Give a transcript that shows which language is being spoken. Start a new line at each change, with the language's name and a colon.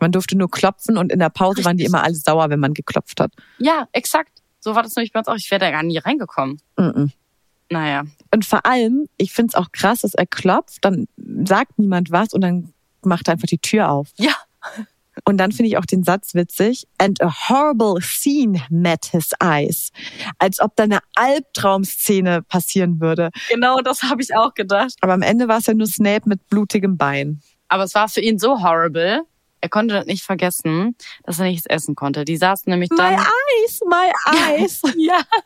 German: Man durfte nur klopfen und in der Pause waren die immer alle sauer, wenn man geklopft hat. Ja, exakt. So war das nämlich bei uns auch. Ich wäre da gar nie reingekommen. Mm-mm. Naja. Und vor allem, ich finde es auch krass, dass er klopft, dann sagt niemand was und dann macht er einfach die Tür auf. Ja. Und dann finde ich auch den Satz witzig.
English: And a horrible scene met his eyes.
German: Als ob da eine Albtraumszene passieren würde. Genau, das habe ich auch gedacht. Aber am Ende war es ja nur Snape mit blutigem Bein. Aber es war für ihn so horrible. Er konnte das nicht vergessen, dass er nichts essen konnte. Die saßen nämlich dann...
English: My eyes.
German: Ja.